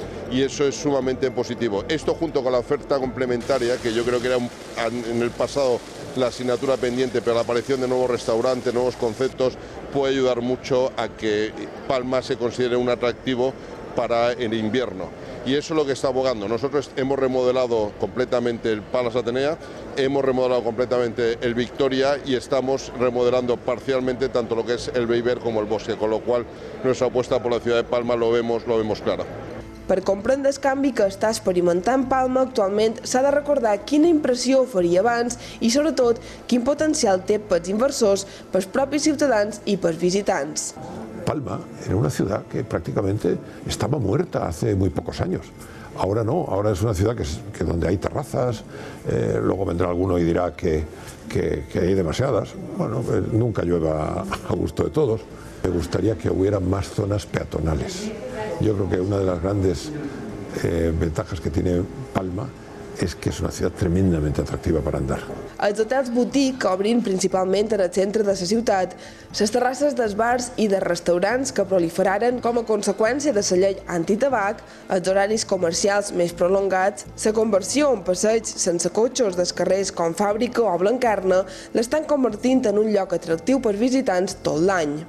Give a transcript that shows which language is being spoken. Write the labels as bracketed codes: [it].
[es] Y eso es sumamente positivo. Esto junto con la oferta complementaria, que yo creo que era en el pasado la asignatura pendiente, pero la aparición de nuevos restaurantes, nuevos conceptos, puede ayudar mucho a que Palma se considere un atractivo para el invierno. Y eso es lo que está abogando. Nosotros hemos remodelado completamente el Palace Atenea, hemos remodelado completamente el Victoria y estamos remodelando parcialmente tanto lo que es el Beiber como el Bosque, con lo cual nuestra apuesta por la ciudad de Palma lo vemos clara. [ca] Per comprendre el canvi que està experimentant Palma actualment, s'ha de recordar quina impressió oferia abans i, sobretot, quin potencial té pels inversors, pels propis ciutadans i pels visitants. [es] Palma era una ciudad que prácticamente estaba muerta hace muy pocos años. Ahora no, ahora es una ciudad que donde hay terrazas, luego vendrá alguno y dirá que hay demasiadas. Bueno, nunca llueva a gusto de todos. Me gustaría que hubiera más zonas peatonales. Yo creo que una de las grandes ventajas que tiene Palma es que es una ciudad tremendamente atractiva para andar. [ca] Els hotels boutique que obrin principalment en el centre de la ciutat, les terrasses dels bars i dels restaurants que proliferaren com a conseqüència de la llei antitabac, els horaris comercials més prolongats, la conversió en passeig sense cotxes dels carrers com Fàbrica o Blancarna, l'estan convertint en un lloc atractiu per visitants tot l'any.